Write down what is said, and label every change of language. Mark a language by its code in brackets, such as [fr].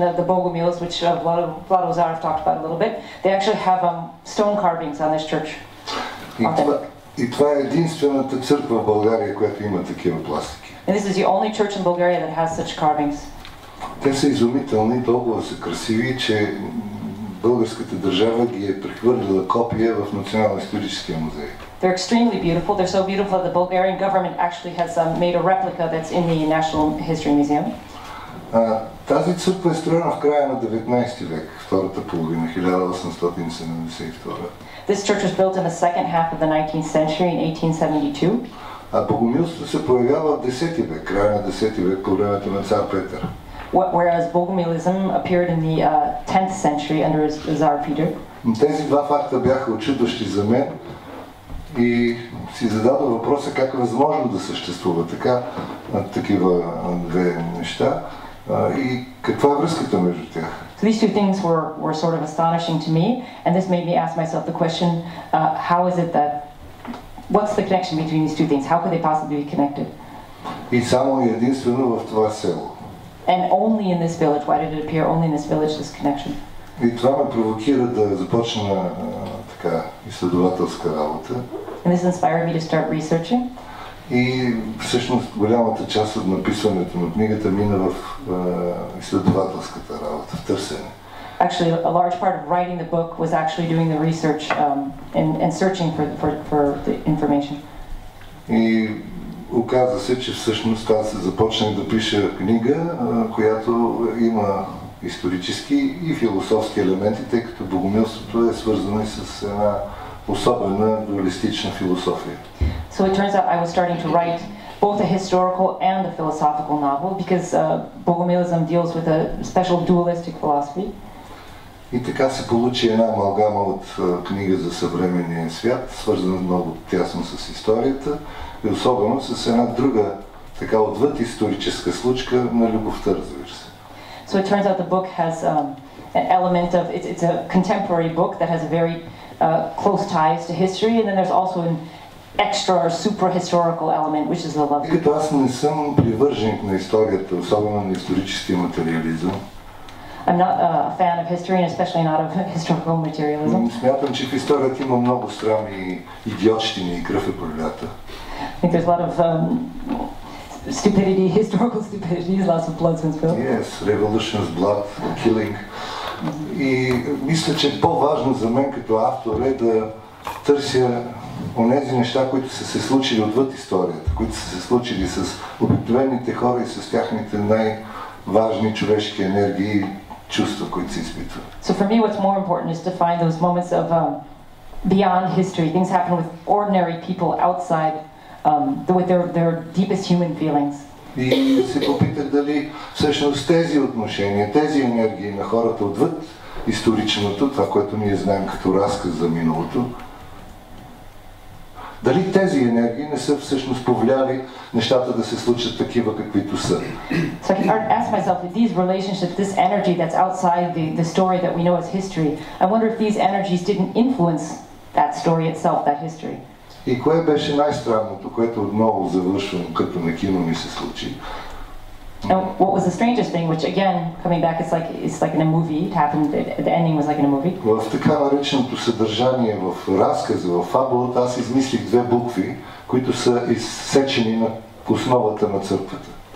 [en] The Bogomils, which Vlado Zarov talked about a little bit. They actually have stone carvings on this church. [bg] И това е единствената църква в България, която има такива пластики. [en] And this is the only church in Bulgaria that has such carvings. [bg] Те са изумителни, толкова са красиви, че българската държава ги е прехвърлила копия в Националния исторически музей. [en] They're extremely beautiful. They're so beautiful that the Bulgarian government actually has made a replica that's in the National History Museum. [bg] Тази църква е строена в края на 19 век, втората половина, 1872. [en] This church was built in the second half of the 19th century in 1872. [bg] А богомилството се появява в 10 век, края на 10 век, по времето на цар Петър. [en] Whereas Bogomilism appeared in the 10th century under Tsar Peter. [bg] Тези два факта бяха очудващи за мен и си зададох въпроса как е възможно да съществува така такива две неща и каква е връзката между тях. [en] So these two things were sort of astonishing to me, and this made me ask myself the question, how is it that, what's the connection between these two things? How could they possibly be connected? [bg] И само и единствено в това село. [en] And only in this village, why did it appear only in this village, this connection? [bg] И това ме провокира да започна така изследователска работа. [en] And this inspired me to start researching. [bg] И всъщност голямата част от написването на книгата мина в изследователската работа, в търсене. [en] Actually, a large part of writing the book was actually doing the research and searching for the information. [bg] И оказа се, че всъщност аз започнах да пиша книга, която има исторически и философски елементи, тъй като богомилството е свързано и с една особена дуалистична философия. [en] So it turns out I was starting to write both a historical and a philosophical novel because Bogomilism deals with a special dualistic philosophy. [bg] И така се получи една амалгама от книга за съвременния свят, свързана много тясно с историята и особено с една друга, така отвъд историческа случка на любовта, разбира се. [en] So it turns out the book has an element of, it's a contemporary book that has a very close ties to history, and then there's also an extra or super historical element, which is the love. [bg] И като аз не съм привърженик на историята, особено на историческия материализъм, [en] I'm not a fan of history and especially not of historical materialism. [bg] Смятам, че в историята има много срами идиотщини и кръв и пролята. [en] I think there's a lot of stupidity, historical stupidity, lots of blood and spill. Yes, revolutions, blood, killing. [bg] И мисля, че по-важно за мен като автор е да търся онези неща, които са се случили отвъд историята, които са се случили с обикновените хора и с тяхните най-важни човешки енергии, чувства, които се изпитва. [en] So for me what's more important is to find those moments of beyond history, things happen with ordinary people outside with their deepest human feelings. [bg] И се попитах дали всъщност тези отношения, тези енергии на хората отвъд историчното, това, което ние знаем като разказ за миналото, дали тези енергии не са всъщност повлияли нещата да се случат такива, каквито са. [en] So I can ask myself if these relationships, this energy that's outside the story that we know as history, I wonder if these energies didn't influence that story itself, that history. [bg] И кое беше най-странното, което отново завършвам, като на кино ми се случи? [en] And what was the strangest thing, which again, coming back, it's like in a movie, it happened, the ending was like in a movie. [bg] В така нареченото съдържание, в разказа, в фабулата, аз измислих две букви, които са изсечени на основата на църквата.